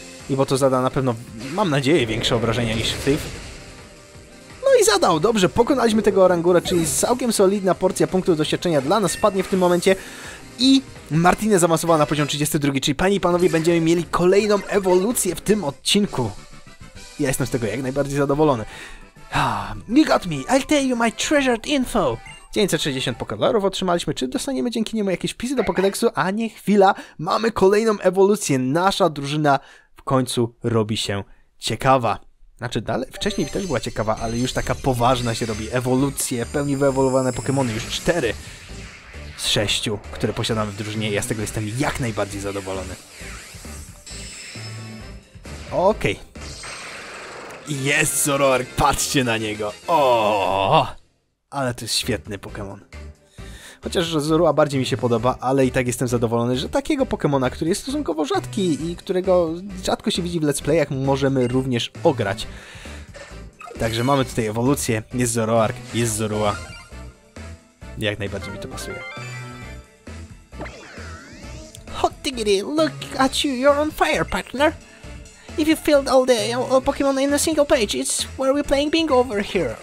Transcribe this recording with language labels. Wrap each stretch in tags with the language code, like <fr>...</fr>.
<pl>I bo to zada na pewno, mam nadzieję, większe obrażenia niż Thief. No i zadał, dobrze, pokonaliśmy tego Orangura, czyli całkiem solidna porcja punktów doświadczenia dla nas spadnie w tym momencie. i Martinez zaawansowała na poziom 32, czyli panie i panowie, będziemy mieli kolejną ewolucję w tym odcinku. Ja jestem z tego jak najbardziej zadowolony.</pl> <en>You got me, I'll tell you my treasured info.</en> <pl>960 pokedolarów otrzymaliśmy, czy dostaniemy dzięki niemu jakieś pisy do Pokédexu, a nie chwila, mamy kolejną ewolucję, nasza drużyna w końcu robi się ciekawa. Znaczy dalej, wcześniej też była ciekawa, ale już taka poważna się robi, ewolucje, pełni wyewoluowane Pokémony, już 4 z 6, które posiadamy w drużynie, ja z tego jestem jak najbardziej zadowolony. Okej. Jest Zoroark, patrzcie na niego, ooo! Ale to jest świetny Pokémon. Chociaż Zorua bardziej mi się podoba, ale i tak jestem zadowolony, że takiego Pokémona, który jest stosunkowo rzadki i którego rzadko się widzi w Let's Playach, możemy również ograć. Także mamy tutaj ewolucję, jest Zoroark, jest Zorua. Jak najbardziej mi to pasuje.</pl> <en>Hot diggity, look at you, you're on fire, partner. If you filled all the all Pokémon in a single page, it's where we're playing bingo over here.</en>